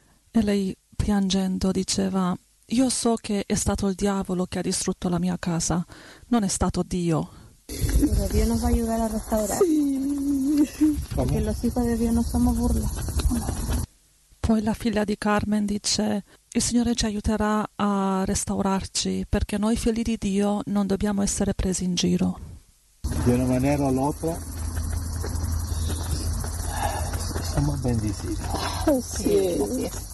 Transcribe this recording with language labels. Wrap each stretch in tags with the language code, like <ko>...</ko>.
<it>E lei piangendo diceva, io so che è stato il diavolo che ha distrutto la mia casa, non è stato Dio.</it> <es>Pero Dio nos va a ayudar a restaurar. Sí. Porque los hijos de Dios no somos burla.</es> <it>Poi la figlia di Carmen dice, il Signore ci aiuterà a restaurarci, perché noi figli di Dio non dobbiamo essere presi in giro. Di una maniera o l'altra, siamo benditi. Oh, sì.</it>